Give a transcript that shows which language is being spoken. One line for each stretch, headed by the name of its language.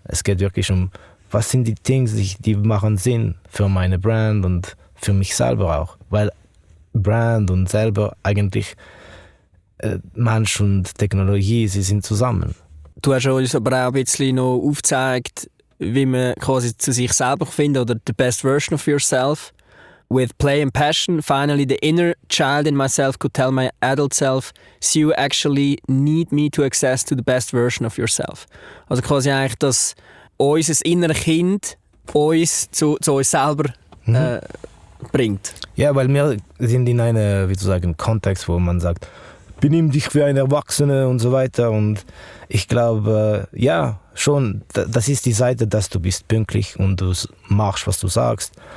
German: Es geht wirklich um, was sind die Things, die machen Sinn für meine Brand und für mich selber auch. Weil Brand und selber eigentlich Mensch und Technologie, sie sind zusammen. Du hast uns aber auch ein bisschen noch aufgezeigt, wie man quasi zu sich selber findet oder the best version of yourself.
English: With play and passion, finally the inner child in myself could tell my adult self, so you actually need me to access to the best version of yourself.
German: Also quasi eigentlich, dass unser inneres Kind uns zu uns selber bringt. Ja, weil wir sind in einem, wie zu sagen, Kontext, wo man sagt, benimm dich wie ein Erwachsener und so weiter. Und ich glaube, ja, schon, das ist die Seite, dass du bist pünktlich und du machst, was du sagst.